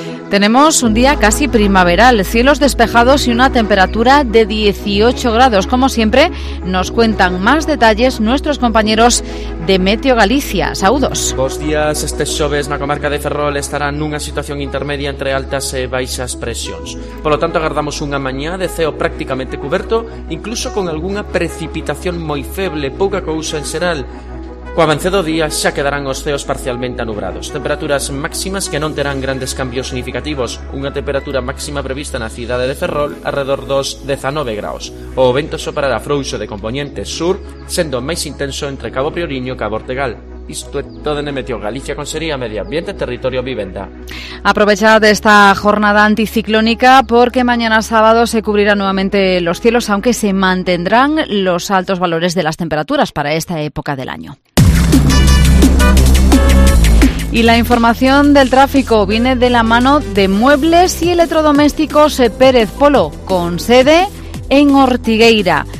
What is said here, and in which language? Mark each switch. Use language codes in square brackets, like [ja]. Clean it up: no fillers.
[es] Tenemos un día casi primaveral, cielos despejados y una temperatura de 18 grados. Como siempre, nos cuentan más detalles nuestros compañeros de Meteo Galicia. [gl] Saudos. Os días este xoves na comarca de Ferrol estarán nunha situación intermedia entre altas e baixas presións. [es] Por lo tanto, [gl] agardamos unha mañá de ceo prácticamente cuberto, incluso con algunha precipitación moi feble, pouca cousa en xeral. Co avance do día xa quedarán os ceos parcialmente anubrados. Temperaturas máximas que non terán grandes cambios significativos. Unha temperatura máxima prevista na cidade de Ferrol arredor dos 19 graus. O vento soprará frouxo de componente sur, sendo máis intenso entre Cabo Prioriño e Cabo Ortegal. Isto é todo en Meteo Galicia, Consería, Medio Ambiente, Territorio, Vivenda. [es] Aprovechad esta jornada anticiclónica porque mañana sábado se cubrirán nuevamente los cielos, aunque se mantendrán los altos valores de las temperaturas para esta época del año. Y la información del tráfico viene de la mano de Muebles y Electrodomésticos Pérez Polo, con sede en Ortigueira.